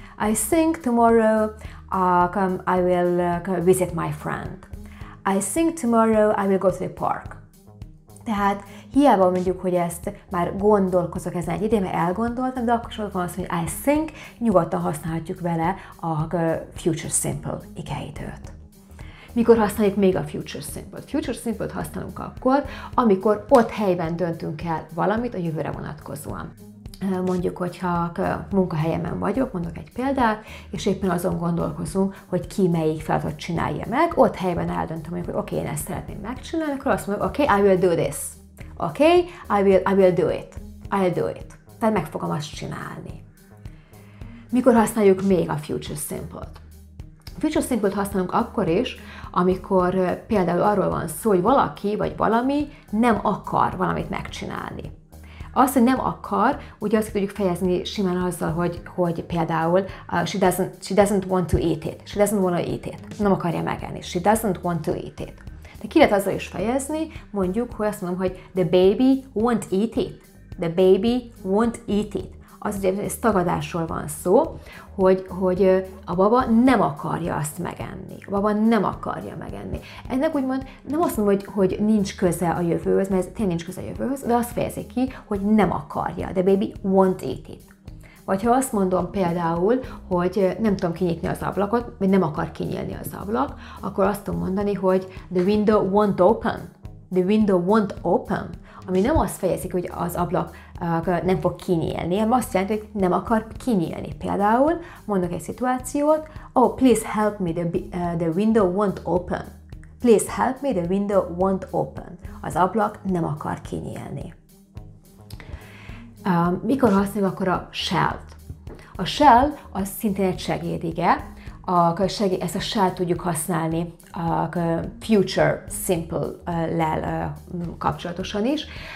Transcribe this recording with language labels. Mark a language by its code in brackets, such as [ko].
[en] I think tomorrow I will visit my friend. I think tomorrow I will go to the park. [hu] Tehát hiába mondjuk, hogy ezt már gondolkozok ezen egy idén, mert elgondoltam, de akkor sokan azt mondja, hogy [en] I think, [hu] nyugodtan használhatjuk vele a future simple igeidőt. Mikor használjuk még a future simple-t? Future simple-t használunk akkor, amikor ott helyben döntünk el valamit a jövőre vonatkozóan. Mondjuk, hogyha munkahelyemen vagyok, mondok egy példát, és éppen azon gondolkozunk, hogy ki melyik feladatot csinálja meg, ott helyben eldöntöm, mondjuk, hogy oké, én ezt szeretném megcsinálni, akkor azt mondom, oké, [en] I will do this. Oké, I will do it. I'll do it. [hu] Tehát meg fogom azt csinálni. Mikor használjuk még a future simple-t? Future simple-t használunk akkor is, amikor például arról van szó, hogy valaki vagy valami nem akar valamit megcsinálni. Azt, hogy nem akar, ugye azt tudjuk fejezni simán azzal, hogy például [en] she doesn't want to eat it. She doesn't want to eat it. [hu] Nem akarja megenni. [en] She doesn't want to eat it. [hu] De ki lehet azzal is fejezni, mondjuk, hogy azt mondom, hogy [en] the baby won't eat it. The baby won't eat it. [hu] Az ugye ez tagadásról van szó, hogy a baba nem akarja azt megenni. A baba nem akarja megenni. Ennek úgymond nem azt mondom, hogy nincs köze a jövőhöz, mert ez tényleg nincs köze a jövőhöz, de azt fejezi ki, hogy nem akarja. [en] The baby won't eat it. [hu] Vagy ha azt mondom például, hogy nem tudom kinyitni az ablakot, vagy nem akar kinyílni az ablak, akkor azt tudom mondani, hogy [en] the window won't open. The window won't open. [hu] Ami nem azt fejezik, hogy az ablak nem fog kinyílni, hanem azt jelenti, hogy nem akar kinyílni. Például mondok egy szituációt, [en] oh, please help me, the window won't open. Please help me, the window won't open. [hu] Az ablak nem akar kinyílni. Mikor használjuk akkor a shall-t? A shell az szintén egy segédige. Ezt a shell tudjuk használni a future simple-lel kapcsolatosan is.